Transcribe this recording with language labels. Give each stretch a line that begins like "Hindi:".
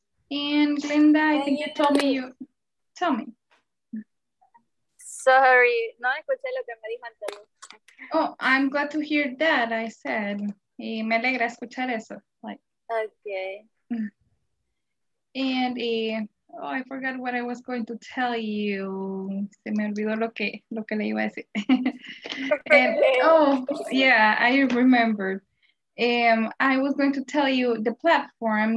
English: And Glenda, I think you told me you... Tell me.
Spanish: Sorry, no escuché lo que me dijo antes.
English: Oh, I'm glad to hear that, I said.
Spanish: Y me alegra escuchar eso. Like.
English: Okay. And oh, I forgot what I was going to tell you.
Spanish: Se me olvidó lo que le iba a decir.
English: And, oh, yeah, I remembered. I was going to tell you the platform.